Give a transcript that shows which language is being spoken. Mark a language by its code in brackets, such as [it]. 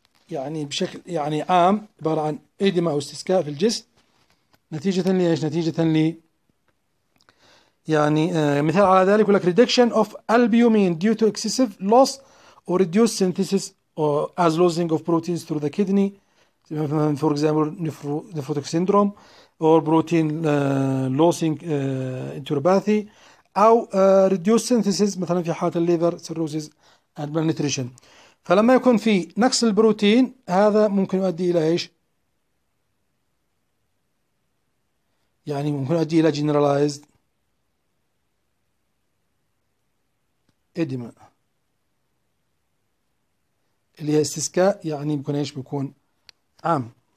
[ar] يعني بشكل يعني عام عبارة عن إيديما أو استسقاء في الجسم نتيجة لإيش؟ نتيجة ل يعني مثال على ذلك يقول لك [en] reduction of albumin due to excessive loss or reduced synthesis or as losing of proteins through the kidney. For example, nephrotic syndrome or protein loss in enteropathy أو reduced synthesis [ar] مثلا في حالة الليفر [en] cirrhosis and malnutrition. [ar] فلما يكون في نقص البروتين هذا ممكن يؤدي إلى إيش؟ يعني ممكن يؤدي إلى [en] generalized edema [ar] اللي هي استسكاء يعني بيكون إيش؟ بيكون عام.